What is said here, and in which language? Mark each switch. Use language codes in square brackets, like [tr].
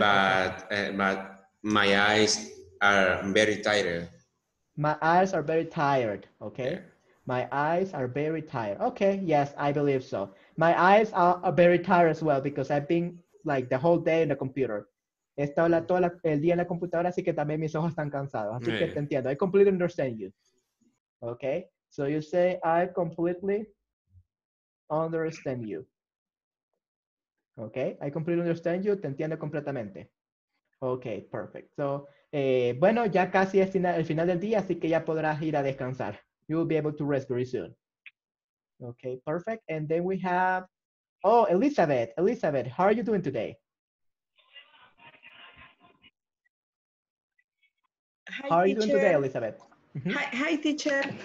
[en] But my eyes are very tired. My eyes are very tired. Okay. Yeah. My eyes are very tired. Okay. Yes, I believe so. My eyes are very tired as well because I've been like the whole day in the computer. [es] He estado el día en la computadora, así que también mis ojos están cansados. Así que te entiendo. [en] I completely understand you. Okay. So you say, I completely understand you. Okay. I completely understand you. Te entiendo completamente. Okay. Perfect. So, bueno, ya casi es el final del día, así que ya podrás ir a descansar. You will be able to rest very soon. Okay. Perfect. And then we have, oh, Elizabeth. Elizabeth, how are you doing today? Hi, how are teacher. You doing today, Elizabeth? Hi, teacher.